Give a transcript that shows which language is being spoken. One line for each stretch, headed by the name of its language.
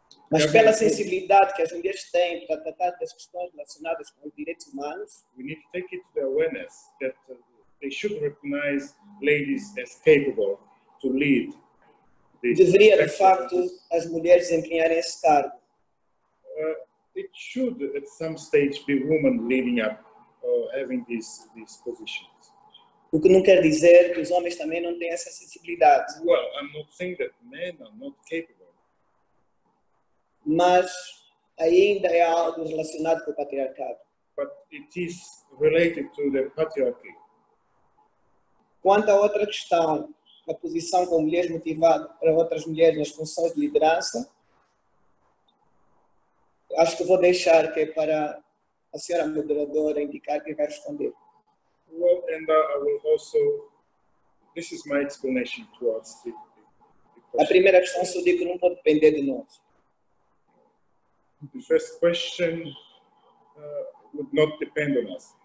Portuguese: Mas pela sensibilidade que as mulheres têm para tratar das questões relacionadas com os direitos humanos.
English: We need to take it to the awareness that they should recognize ladies as capable to lead.
Portuguese: Deveria, de facto, as mulheres empenharem esse cargo.
English: It should, at some stage, be women leading up or having these positions.
Portuguese: O que não quer dizer que os homens também não têm essa sensibilidade.
English: Well, I'm not saying that men are not capable.
Portuguese: Mas ainda é algo relacionado com o patriarcado.
English: But it is related to the patriarchy.
Portuguese: Quanto à outra questão, a posição com mulheres motivadas para outras mulheres nas funções de liderança, acho que vou deixar que é para a senhora moderadora indicar quem vai responder.
English: Well, and I will also... This is my explanation towards the question.
Portuguese: A primeira questão, se eu digo, não pode depender de nós.
English: The first question would not depend on us.